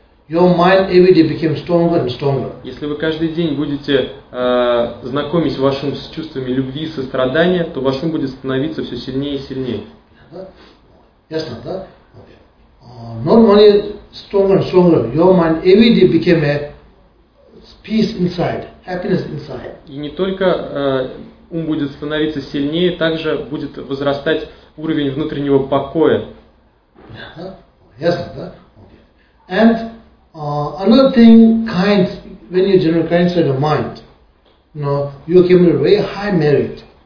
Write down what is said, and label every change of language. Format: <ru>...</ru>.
<en>your mind every day became stronger and stronger.</en> <ru>Если вы каждый день будете знакомить вашим с чувствами любви и сострадания, то ваш ум будет становиться все сильнее и сильнее. Ясно, да?</ru> <en>Normally stronger and stronger, your mind every day became a peace inside, happiness inside.</en> <ru>И не только ум будет становиться сильнее, также будет возрастать уровень внутреннего покоя. Ясно, да?</ru> <en>And another thing, kind, when you generate kind inside your mind, you accumulate very high merit.</en>